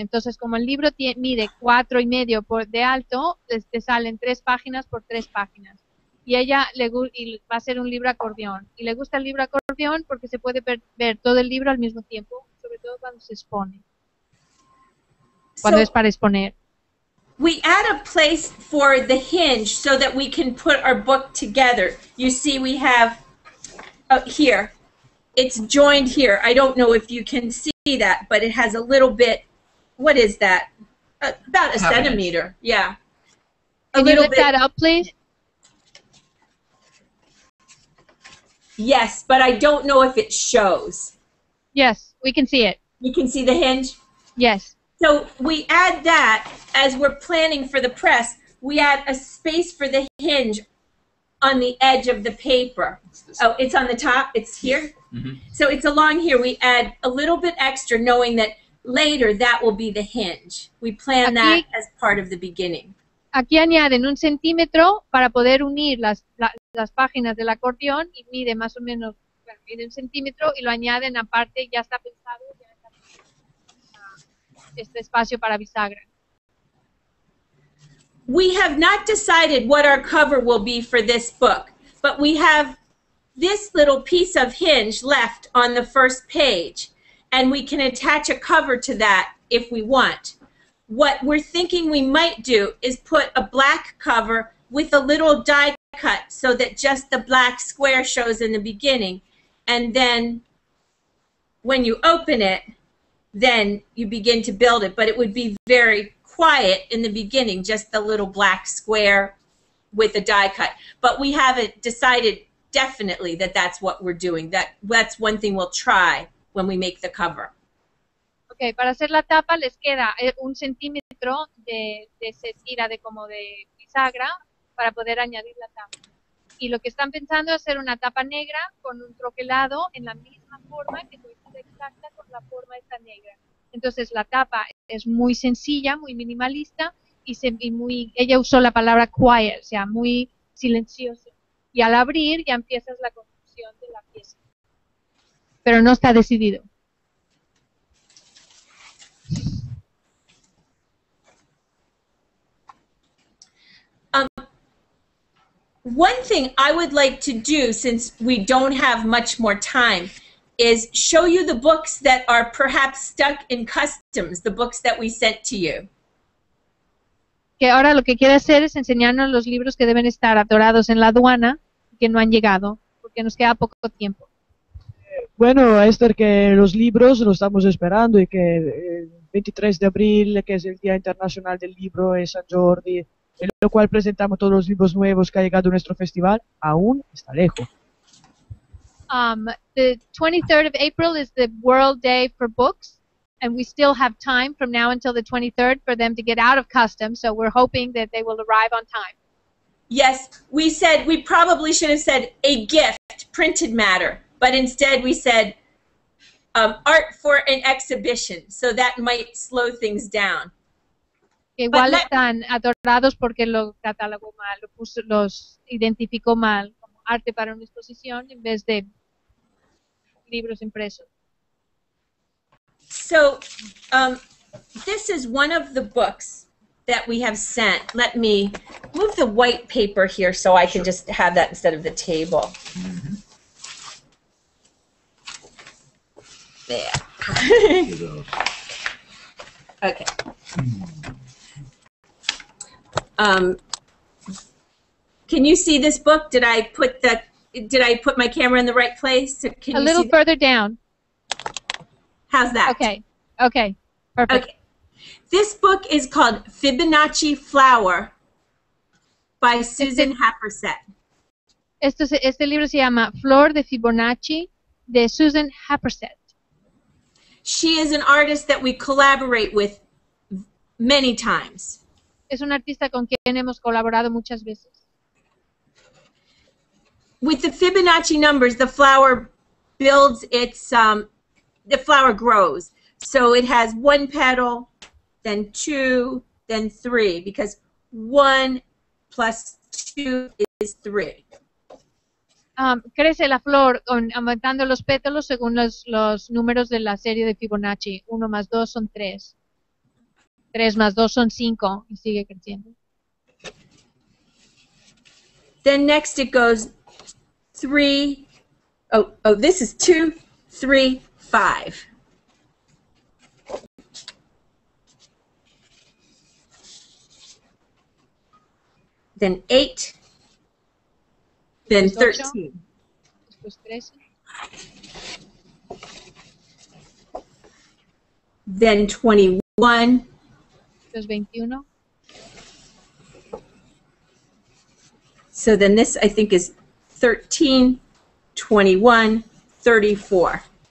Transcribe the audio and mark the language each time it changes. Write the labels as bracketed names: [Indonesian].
[Spanish] Entonces, como el libro mide 4.5 de alto, te salen 3 páginas por 3 páginas. y ella le y va a ser un libro acordeón. Y le gusta el libro acordeón porque se puede ver todo el libro al mismo tiempo, sobre todo cuando se expone. Cuando so, es para exponer. [English] We add a place for the hinge so that we can put our book together. You see, we have here. It's joined here. I don't know if you can see that, but it has a little bit. What is that? About a centimeter. Yeah. Can you lift that up, please? Yes, but I don't know if it shows. Yes, we can see it. You can see the hinge? Yes. So we add that as we're planning for the press. We add a space for the hinge on the edge of the paper. Oh, it's on the top? It's here? Mm-hmm. So it's along here. We add a little bit extra knowing that later that will be the hinge. We plan [Spanish] aquí, [English] that as part of the beginning. [Spanish] Aquí añaden un centímetro para poder unir las páginas del acordeón y mide más o menos mide un centímetro y lo añaden aparte, ya está pensado ya está, este espacio para bisagra. [English] We have not decided what our cover will be for this book, but we have this little piece of hinge left on the first page, and we can attach a cover to that if we want. What we're thinking we might do is put a black cover with a little die cut so that just the black square shows in the beginning, and then when you open it, then you begin to build it, but it would be very quiet in the beginning, just the little black square with a die cut. But we haven't decided definitely that that's what we're doing. That's one thing we'll try when we make the cover. [Spanish] Okay, para hacer la tapa les queda un centímetro de esa tira de como de bisagra para poder añadir la tapa. Y lo que están pensando es hacer una tapa negra con un troquelado en la misma forma que tú hiciste exacta con la forma esta negra. Entonces la tapa es muy sencilla, muy minimalista y ella usó la palabra quiet, o sea, muy silencioso. Y al abrir ya empiezas la construcción de la pieza. Pero no está decidido. [English] One thing I would like to do, since we don't have much more time, is show you the books that are perhaps stuck in customs, the books that we sent to you. [Spanish] Que ahora lo que quiere hacer es enseñarnos los libros que deben estar atorados en la aduana y que no han llegado, porque nos queda poco tiempo. Bueno, Esther, que los libros los estamos esperando y que el 23 de abril, que es el Día Internacional del Libro en San Jordi, en lo cual presentamos todos los libros nuevos que ha llegado a nuestro festival, aún está lejos. [English] The 23rd of April is the World Day for Books, and we still have time from now until the 23rd for them to get out of customs, so we're hoping that they will arrive on time. Yes, we said, we probably should have said a gift, printed matter, but instead we said art for an exhibition, so that might slow things down. [Spanish] Que igual están atorados porque lo catalogó mal, los identificó mal como arte para una exposición en vez de libros impresos. [English] So, this is one of the books that we have sent. Let me move the white paper here so I can sure. just have that instead of the table. Mm-hmm. There. Okay. Can you see this book? Did I put my camera in the right place? Can a you little see further down. How's that? Okay. Okay. Perfect. Okay. This book is called Fibonacci Flower by Susan Happersett. [Spanish] Este libro se llama Flor de Fibonacci de Susan Happersett. [English] She is an artist that we collaborate with many times. [Spanish] Es un artista con quien hemos colaborado muchas veces. [English] With the Fibonacci numbers, the flower builds its, the flower grows. So it has one petal, then two, then three, because one plus two is three. [Spanish] Crece la flor aumentando los pétalos según los números de la serie de Fibonacci. Uno más dos son tres. Tres más dos son cinco y sigue creciendo. [English] Then next it goes three, oh, this is 2, 3, 5. Then 8, then 13, then 21, so then this I think is 13, 21, 34.